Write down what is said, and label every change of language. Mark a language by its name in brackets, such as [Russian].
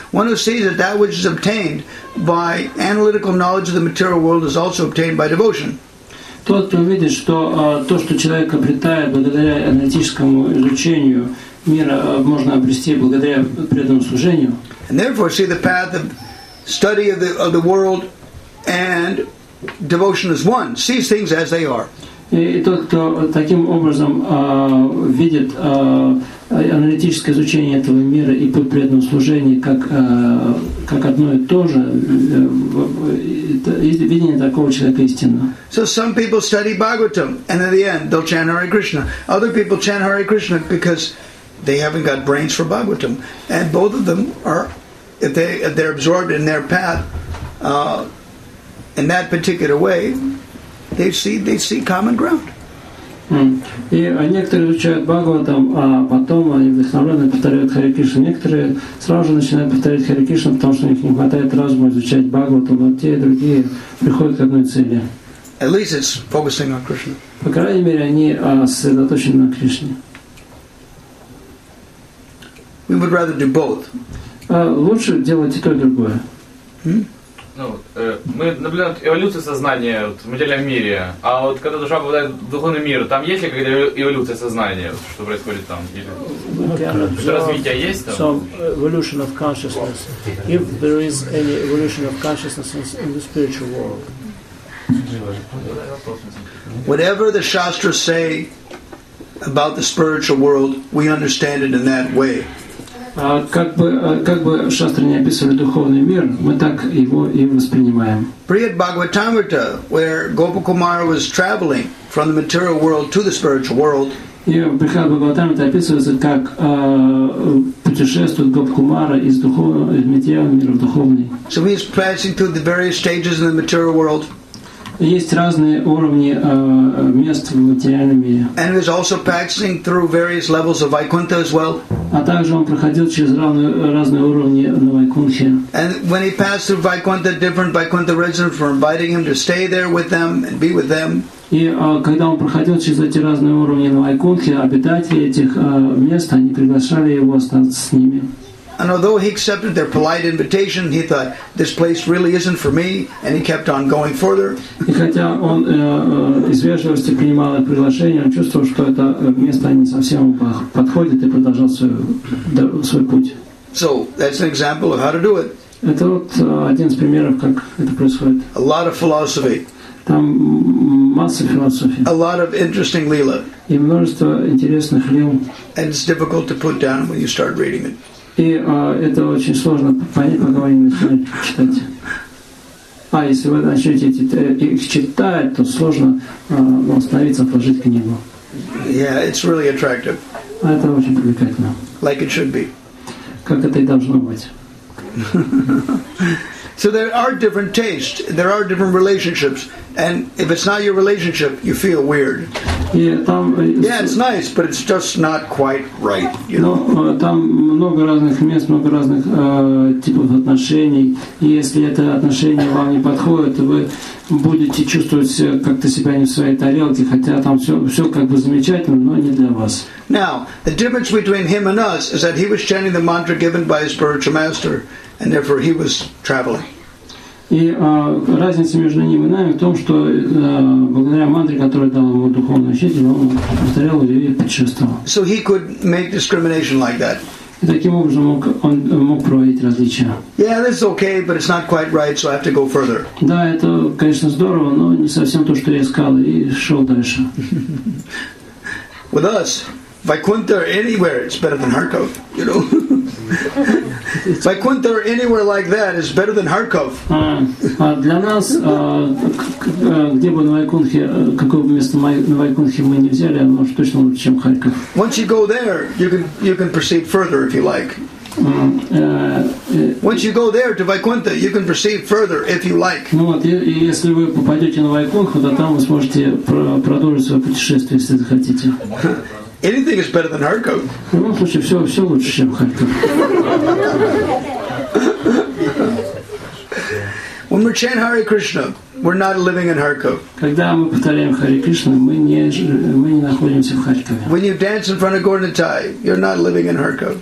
[English] One who sees that that which is obtained by analytical knowledge of the material world is also obtained by devotion. [Russian] Тот, кто видит, что то, что человек обретает благодаря аналитическому изучению мира, можно обрести благодаря преданному служению. [English] And therefore see the path of study of the world and devotion is one. Sees things as they are. [Russian] И тот, кто таким образом видит аналитическое изучение этого мира и путь преданного служения как одно и то же, видение такого человека истинно. [English] So some people study Bhagavatam and at the end they'll chant Hare Krishna. Other people chant Hare Krishna because they haven't got brains for Bhagavatam. And both of them are if they're absorbed in their path in that particular way, they see common ground. [Russian] И некоторые изучают Бхагаватам, а потом они вдохновленно повторяют Харе Кришну. Некоторые сразу же начинают повторять Харе Кришну, потому что у них не хватает разума изучать Бхагаватам, а те и другие приходят к одной цели. [English] At least it's focusing on Krishna. [Russian] По крайней мере, они сосредоточены на Кришне. [English] We would rather do both. [Russian] Лучше делать и то, и другое. Мы наблюдаем эволюцию сознания в материальном мире, а вот когда душа попадает в духовный мир, там есть ли какая-то эволюция сознания, что происходит там? Или развитие есть там? [English] Some evolution of consciousness. If there is any evolution of consciousness in the spiritual world. Whatever the Shastras say about the spiritual world, we understand it in that way. [Russian] Как бы шастры не описывали духовный мир, мы так его и воспринимаем. [English] Prayed Bhagavatamrita, where Gopakumara was traveling from the material world to the spiritual world. [Russian] И в Prayed Bhagavatamrita описывается, как путешествует Гопакумара из материального мира в духовный. [English] So he's passing through the various stages in the material world. [Russian] Есть разные уровни мест в материальном мире. [English] And he's also passing through various levels of Vaikuntha as well. [Russian] А также он проходил через разные уровни на Вайкунхе. [English] And when he passed through Vaikuntha, different Vaikuntha residents were inviting him to stay there with them and be with them. [Russian] И когда он проходил через эти разные уровни на Вайкунхе, обитатели этих мест, они приглашали его остаться с ними. [English] And although he accepted their polite invitation, he thought, this place really isn't for me, and he kept on going further. [Russian] И хотя он из вежливости принимал это приглашение, он чувствовал, что это место не совсем подходит, и продолжал свой путь. [English] So, that's an example of how to do it. [Russian] Это вот один из примеров, как это происходит. [English] A lot of philosophy. [Russian] Там масса философии. [English] A lot of interesting lila. [Russian] И множество интересных лил. [English] And it's difficult to put down when you start reading it. [Russian] И это очень сложно понять, пока вы не начинаете читать. А если вы начнете их читать, то сложно остановиться, отложить книгу. [English] Yeah, it's really attractive. [Russian] Это очень привлекательно. [English] Like it should be. [Russian] Как это и должно быть. [English] So there are different tastes, there are different relationships, and if it's not your relationship, you feel weird. Yeah, it's nice, but it's just not quite right, you know. [Russian] Но там много разных мест, много разных типов отношений. И если это отношение вам не подходит, вы будете чувствовать как-то себя не в своей тарелке, хотя там все как бы замечательно, но не для вас. [English] Now, the difference between him and us is that he was chanting the mantra given by his spiritual master, and therefore he was traveling. [Russian] И разница между ним и нами в том, что благодаря мантре, которую дал ему духовный учитель, он повторял ее и путешествовал. [English] So he could make discrimination like that. [Russian] И таким образом он мог проводить различия. [English] Yeah, this is okay, but it's not quite right, so I have to go further. [Russian] Да, это, конечно, здорово, но не совсем то, что я искал, и шел дальше. [English] With us, Vaikuntha anywhere, it's better than Harkov, you know. Vaikuntha anywhere like that is better than Harkov. [Russian] Для нас, где бы на Вайкунхе, какое бы место на Вайкунхе мы не взяли, оно уж точно лучше, чем Харьков. [English] Once you go there, you can proceed further if you like. Once you go there to Vaikuntha, you can proceed further if you like. [Russian] Ну вот, если вы попадете на Вайкунху, то там вы сможете продолжить свое путешествие, если захотите. [English] Anything is better than Harkov. [Russian] В любом случае, все лучше, чем Харьков. [English] When we chant Hare Krishna, we're not living in Harkov. [Russian] Когда мы повторяем Харе Кришна, мы не находимся в Харькове. [English] When you dance in front of Gaur Nitai, you're not living in Harkov.